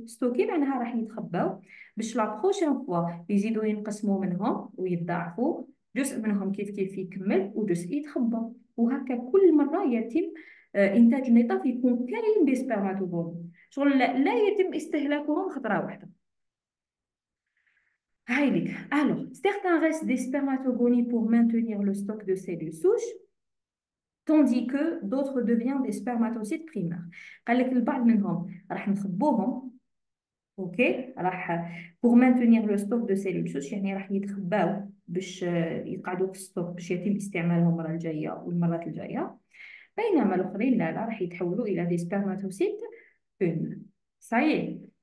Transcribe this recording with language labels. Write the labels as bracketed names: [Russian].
[Arabic] ستوكي معناها راح يتخباو باش [French] لا بروشين فوا [Arabic] يزيدوا ينقسموا منهم ويتضاعفوا، جزء منهم كيف كيف يكمل وجزء يتخبى، وهكا كل مره يتم انتاج النطاف يكون كاين دي سبرماتوغون، شغل لا يتم استهلاكهم خطره واحده. هايليك. [French] Alors, certains restent des spermatogonies pour maintenir le stock de cellules souches, tandis que d'autres deviennent des spermatocytes primaires. [Arabic] قال لك البعض منهم راح نخبوهم، اوكي، راح [French] pour maintenir le stock de cellules souches، [Arabic] يعني راح يتخباو باش يقعدوا في الستوك باش يتم استعمالهم المره الجايه والمرات الجايه، بينما الاخرين لا راح يتحولوا الى دي سبرماتوسيت اون. صحيح.